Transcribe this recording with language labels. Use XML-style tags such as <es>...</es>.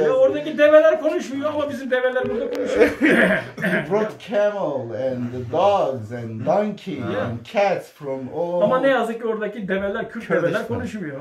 <tr>Oradaki develer konuşmuyor ama bizim develer burada konuşuyor.</tr> <en>You brought camel and the dogs and donkey and cats from all...</en> <tr>Ama ne yazık ki oradaki develer, Kürt Kurdish develer konuşmuyor.</tr>